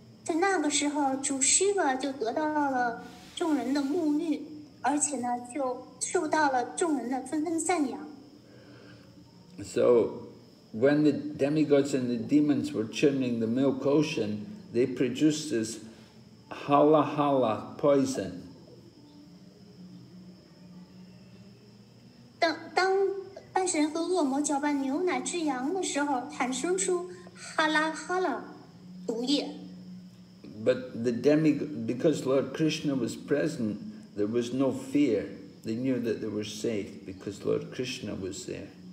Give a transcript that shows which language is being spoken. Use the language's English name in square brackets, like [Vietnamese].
[English] So, when the demigods and the demons were churning the milk ocean, they produced this halahala poison. [Chinese] 当半神和恶魔搅拌牛奶之羊的时候，产生出哈拉哈拉毒液。 [English] But the because Lord Krishna was present, there was no fear. They knew that they were safe because Lord Krishna was there.